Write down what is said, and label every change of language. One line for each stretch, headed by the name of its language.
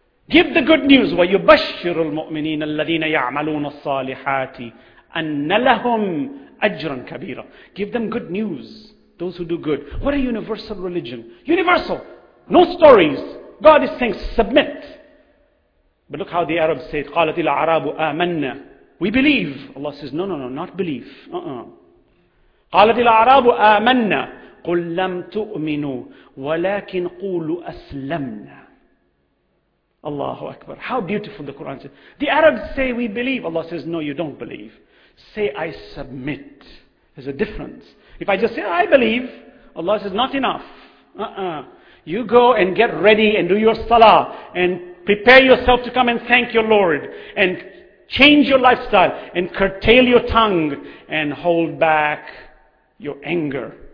English: Give the good news.
Arabic: وَيُبَشِّرُ الْمُؤْمِنِينَ الَّذِينَ يَعْمَلُونَ الصَّالِحَاتِ أَنَّ لَهُمْ أَجْرًا كَبِيرًا.
English: Give them good news. Those who do good. What a universal religion. Universal. No stories. God is saying submit. But look how the Arabs say it.
Arabic: قَالَتِ الْعَرَابُ آمَنَّ.
English: We believe. Allah says, no, not belief.
Arabic: قالت الأعراب آمنا قل لم تؤمنوا ولكن قولوا أسلمنا. Allahu Akbar.
English: How beautiful the Quran says. The Arabs say we believe. Allah says no, you don't believe. Say I submit. There's a difference. If I just say I believe, Allah says not enough. You go and get ready and do your salah and prepare yourself to come and thank your Lord and change your lifestyle and curtail your tongue and hold back your anger.